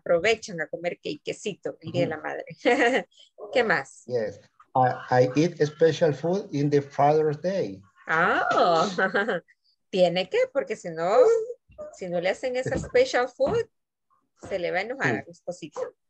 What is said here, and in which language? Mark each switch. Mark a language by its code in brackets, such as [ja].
[es] Aprovechan a comer cakecito el día de la madre. ¿Qué más? [en] Yes. I eat special food in the Father's Day. [es] Oh, tiene que, porque si no le hacen esa [en] special food, [es] se le va a enojar a su esposito.